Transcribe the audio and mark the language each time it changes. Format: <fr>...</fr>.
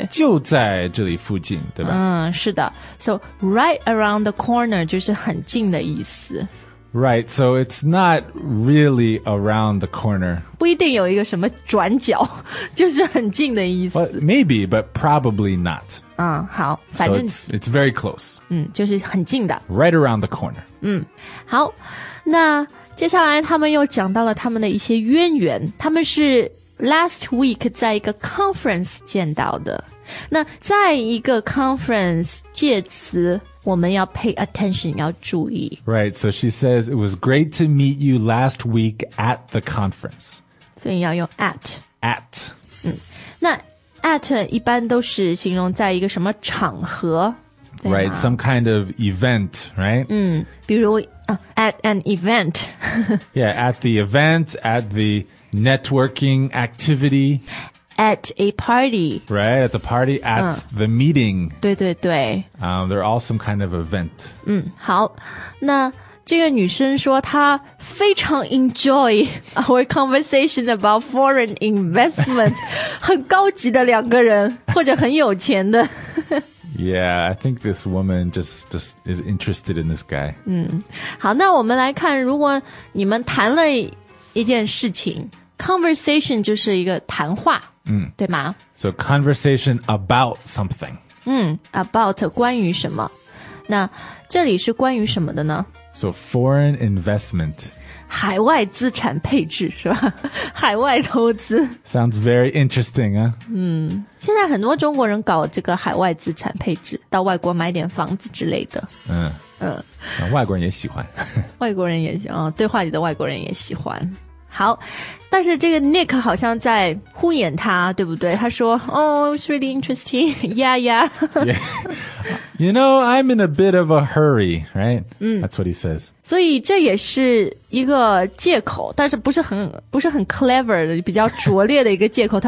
<zh>对，就在这里附近，对吧？嗯，是的。</zh> <en>So right around the corner</en> <zh>就是很近的意思。</zh> <en>Right, so it's not really around the corner.</en> <zh>不一定有一个什么转角，就是很近的意思。</zh> <en>Well, maybe, but probably not.</en> <zh>嗯，好，反正</zh> <en>it's very close.</en> <zh>嗯，就是很近的。</zh> <en>Right around the corner.</en> <zh>嗯，好，那接下来他们又讲到了他们的一些渊源。他们是</zh> <en>last week</en> <zh>在一个 conference 见到的。那在一个 conference 介词我们要</zh> <en>pay attention,</en> <zh>要注意。</zh> <en>Right, so she says, it was great to meet you last week at the conference.</en> <zh>所以要用 at.</zh> <en>At.、</en> <zh>嗯、那 at 一般都是形容在一个什么场合。</zh> <en>Right, some kind of event, right?、嗯、比如、at an event. yeah, at the event, at the networking activity. At a party. Right, at the party, at、the meeting.</en> <zh>对对对、</zh> <en>They're all some kind of event.</en> <zh>嗯，好，那这个女生说她非常</zh> <en>enjoy our conversation about foreign investment.</en> <zh>很高级的两个人，或者很有钱的。</zh> <en>Yeah, I think this woman just is interested in this guy.</en> <zh>嗯，好，那我们来看，如果你们谈了一件事情 ，conversation 就是一个谈话，嗯，对吗</zh> <en>？So conversation about something.</en> <zh>嗯 ，about 关于什么？那这里是关于什么的呢</zh> <en>？So foreign investment.</en> <zh>海外资产配置是吧？海外投资。</zh> <en>Sounds very interesting, huh?</en> <zh>嗯。现在很多中国人搞这个海外资产配置，到外国买点房子之类的。嗯嗯，外国人也喜欢。外国人也喜欢、哦、对话里的外国人也喜欢。好，但是这个 Nick 好像在敷衍他，对不对？他说</zh> <en>，Oh, it's really interesting. Yeah, yeah. yeah. You know, I'm in a bit of a hurry, right?、That's what he says.</en> <zh>所以这也是一个借口，但是不是很 clever 的，比较拙劣的一个借口。</zh>